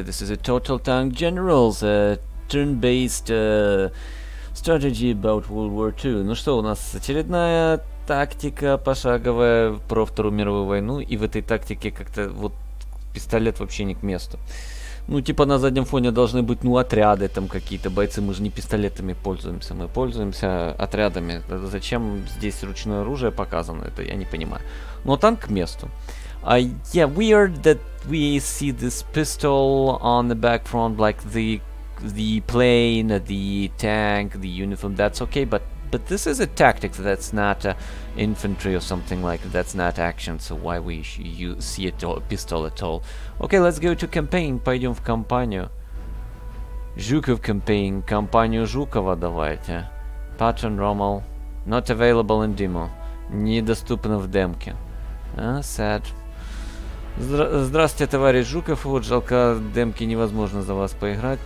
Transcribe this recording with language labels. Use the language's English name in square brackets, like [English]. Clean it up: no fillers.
[English] This is a total tank generals, turn-based strategy about World War II. [Russian] Ну что, у нас очередная тактика пошаговая про Вторую мировую войну, и в этой тактике как-то вот пистолет вообще не к месту. Ну, типа на заднем фоне должны быть, ну, отряды там какие-то, бойцы, мы же не пистолетами пользуемся, мы пользуемся отрядами. Зачем здесь ручное оружие показано, это я не понимаю. Но танк к месту. [English] Yeah, weird that we see this pistol on the back front, like the plane, the tank, the uniform, that's okay, but this is a tactic, that's not infantry or something like that. That's not action, so why we you see a pistol at all? Okay, let's go to campaign. [Russian] Пойдем в кампанию. [English] Жуков campaign. [Russian] Кампанию Жукова давайте. [English] Patton Rommel. Not available in demo. [Russian] Недоступно в демке. [English] Sad. [Russian] Здравствуйте, товарищ Жуков. Вот жалко, демки невозможно за вас поиграть.